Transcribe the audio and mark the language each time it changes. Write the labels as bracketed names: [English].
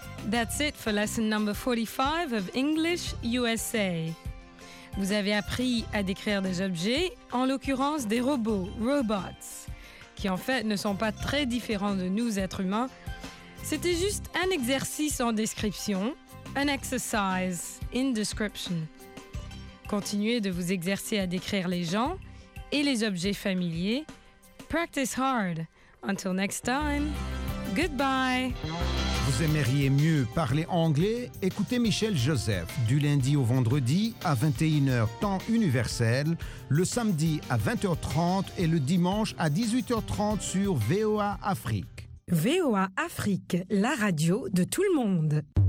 [English] That's it for lesson number 45 of English USA. [French] Vous avez appris à décrire des objets, en l'occurrence des robots, robots, qui en fait ne sont pas très différents de nous, êtres humains. C'était juste un exercice en description, [English] an exercise in description. [French] Continuez de vous exercer à décrire les gens et les objets familiers. [English] Practice hard. Until next time, goodbye. [French] Vous aimeriez mieux parler anglais? Écoutez Michel Joseph du lundi au vendredi à 21h temps universel, le samedi à 20h30 et le dimanche à 18h30 sur VOA Afrique. VOA Afrique, la radio de tout le monde.